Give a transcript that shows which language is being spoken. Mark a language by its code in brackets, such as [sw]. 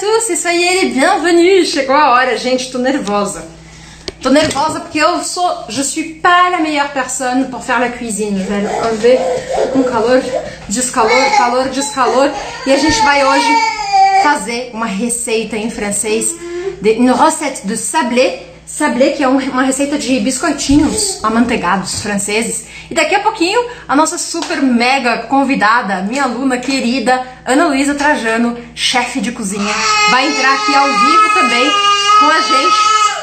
[pt] isso aí, ele, [fr] bienvenue, [pt] chegou a hora, gente, tô nervosa. Tô nervosa porque eu sou, [fr] je suis pas la meilleure personne pour faire la cuisine, velho. On va un calor, descalor, calor, descalor. [pt] E a gente vai hoje fazer uma receita em francês, [fr] une recette de sablé. [pt] Sablé, que é uma receita de biscoitinhos amanteigados franceses. E daqui a pouquinho, a nossa super mega convidada, minha aluna querida, Ana Luísa Trajano, chefe de cozinha, vai entrar aqui ao vivo também com a gente.